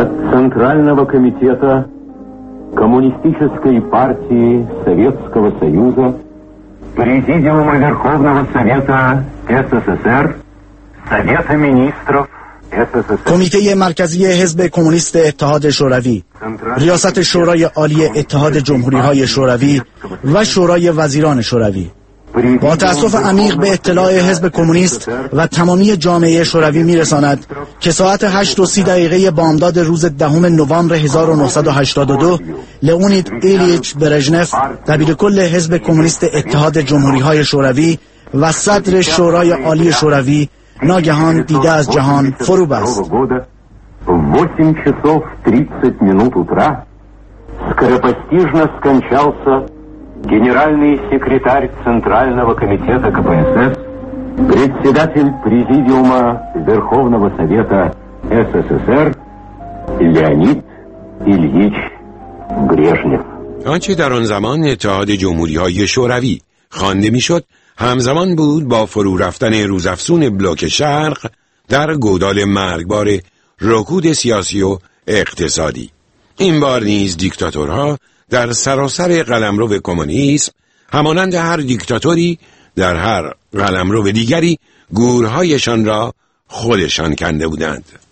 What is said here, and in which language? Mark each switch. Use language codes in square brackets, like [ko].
[ru] Центрального комитета Коммунистической партии Советского Союза, Президиума Верховного Совета СССР, Совета министров СССР. [fa] کمیته مرکزی حزب کمونیست اتحاد شوروی، ریاست شورای عالی اتحاد جمهوری های شوروی و شورای وزیران شوروی. با تأسف عمیق به اطلاع حزب کمونیست و تمامی جامعه شوروی می‌رساند که ساعت 8:30 دقیقه بامداد روز 10 نوامبر 1982 لئونید ایلیچ برژنف، دبیرکل حزب کمونیست اتحاد جمهوری‌های شوروی و صدر شورای عالی شوروی، ناگهان دیده از جهان فرو بست. [ru] 8:30 утра скоропостижно скончался генеральный секретарь Центрального комитета КПСС, председатель президиума Верховного совета СССР Леонид Ильич Брежнев. [fa] آنچه در آن زمان اتحاد جمهوری‌های شوروی خوانده می‌شد، همزمان بود با فرو رفتن روزافزون بلوک شرق در گودال مرگبار رکود سیاسی و اقتصادی. این بار نیز دیکتاتورها در سراسر قلمرو کمونیسم، همانند هر دیکتاتوری در هر قلمرو دیگری، گورهایشان را خودشان کنده بودند.